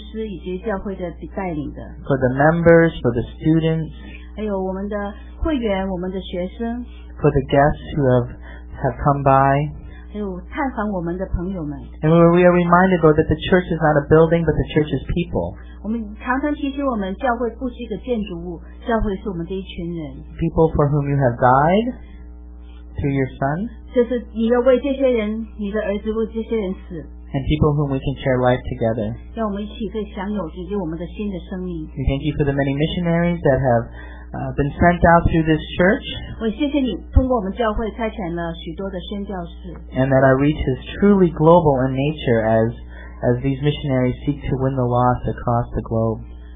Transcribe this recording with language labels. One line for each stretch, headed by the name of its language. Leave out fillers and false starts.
Chinese: 谢谢你给我们的牧师以及教会的带领的
English: for the members, for the students,
Chinese: 还有我们的会员, 我们的学生,
English: for the guests who have come by,
Chinese: 还有探访我们的朋友们,
English: and we are reminded, Lord, that the church is not a building, but the church is people.
Chinese: 我们常常提醒我们教会不是一个建筑物, 教会是我们这一群人,
English: people for whom you have died through your son,
Chinese: 就是你要为这些人, 你的儿子为这些人死,
English: and people whom we can share life together. And thank you for the many missionaries that have been sent out through this church. And that our reach is truly global in nature as these missionaries seek to win the lost across the globe.